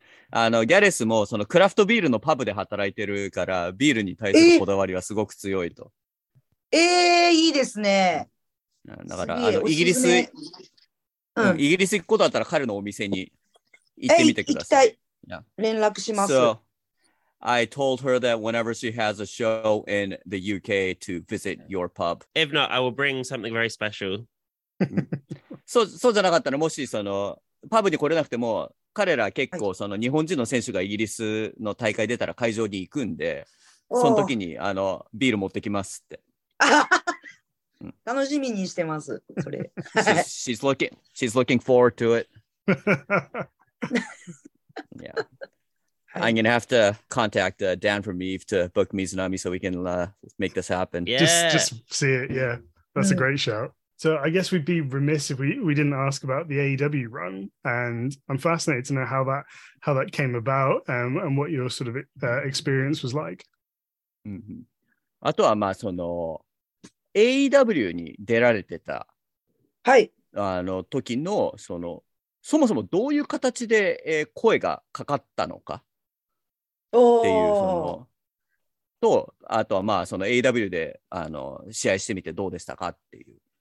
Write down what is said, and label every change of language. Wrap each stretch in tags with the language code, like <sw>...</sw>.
<ja>あのギャレスもそのクラフトビールのパブで働いてるからビールに対するこだわりはすごく強いと。いいですね。だからあのイギリス行くことだったら彼のお店に行ってみてください。行きたい。連絡します。</ja> <en>So, I told her that whenever she has a show in the UK to visit your pub. If not, I will bring something very special.</en> <ja>そうじゃなかったらもしそのパブに来れなくても彼ら結構その日本人の選手がイギリスの大会出たら会場に行くんで、その時にあのビール持ってきますって。楽しみにしてます。それ。</ja> <en>She's looking forward to it. Yeah. I'm gonna have to contact Dan from Eve to book Mizunami so we can make this happen. Yeah. Just see it. Yeah. That's a great shout. So I guess we'd be remiss if we didn't ask about the AEW run, and I'm fascinated to know how that came about and what your sort of experience was like. Mm-hmm.</en> <ja>あとはまあその AEW に出られてた、はい、あの時のそのそもそもどういう形で声がかかったのかっていうそのとあとはまあその AEW であの試合してみてどうでしたかっていう。</ja>